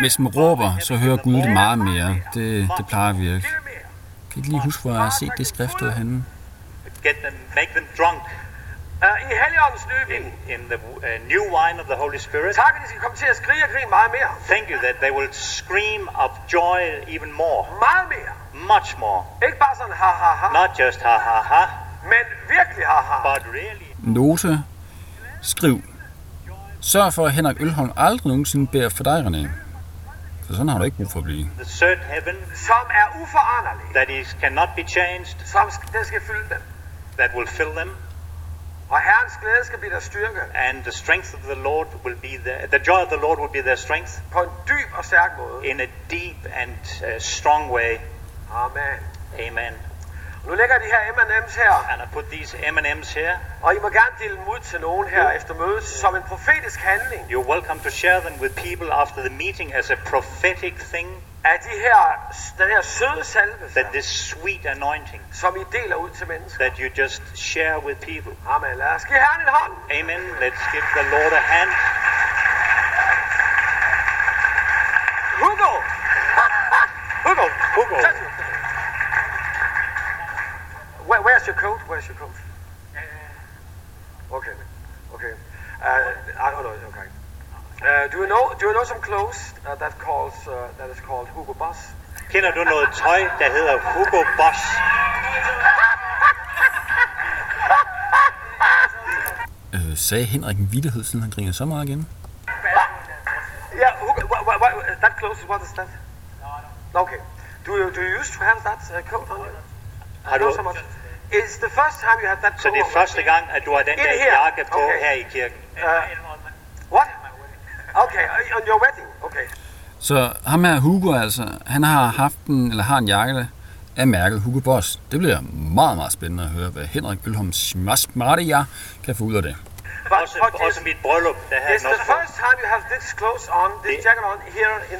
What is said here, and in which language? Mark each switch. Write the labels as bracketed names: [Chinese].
[Danish] Hvis man råber, så hører Gud det meget mere. Det plejer at virke. Kan I ikke lige huske, hvor jeg har set det skriftet henne? [English] Get them, make them drunk. [Danish] I Helligåndens nye vin. [English] In the new wine of the Holy Spirit. [Danish] Tak, at de skal komme til at skrige og grine meget mere. [English] Thank you that they will scream of joy even more. [Danish] Meget mere. [English] Much more. [Danish] Ikke bare sådan ha ha ha. [English] Not just ha ha ha. [Danish] Men virkelig ha ha. [English] But really. [Danish] Note. Skriv. Sørg for, at Henrik Ølholm aldrig nogensinde beder for dig, René. Så sådan har du ikke brug for at blive. [English] The third heaven, [Danish] som er uforanderlig. [English] That is cannot be changed. [Danish] Som den skal fylde dem. [English] That will fill them. [Danish] Og Herrens glæde skal blive deres styrke. [English] And the strength of the Lord will be their, the joy of the Lord will be their strength. [Danish] På en dyb og stærk måde. [English] In a deep and strong way. [Danish] Amen. [English] Amen. [Danish] Nu lægger de her M&M's her. [English] And I put these M&M's here. [Danish] Og I må gerne dele dem ud til nogen her efter mødet som en profetisk handling. [English] You're welcome to share them with people after the meeting as a prophetic thing. [Danish] At de her, den her søde salvelse. [English] That this sweet anointing. [Danish] Som I deler ud til mennesker. [English] That you just share with people. [Danish] Amen. Lad os give Herren en hånd. Amen. [English] Let's give the Lord a hand. Hugo. Hugo. Hugo. Just Where's your coat? Where's your coat? Okay. Okay. I don't know. It's okay. Do you know some clothes that is called Hugo Boss? [Danish] Kender du noget tøj der hedder Hugo Boss? Sagde Henrik en vittighed, siden han griner så meget igen? [English] Yeah, Hugo, that clothes, what is that? No, okay. Do you used to have that coat on you? I don't so much. It's the first time you have that coat. [Danish] Så det er første gang at du har den der jakke på her i kirken. [English] What? Okay, on your wedding. Okay. [Danish] Så ham her Hugo altså, han har haft en eller har en jakke af mærket Hugo Boss. Det bliver meget meget spændende at høre, hvad Henrik Ølholms smarte jeg kan få ud af det. Også mit bryllup, der har han også på. [English] It's the first time you have this clothes on, this jacket on here in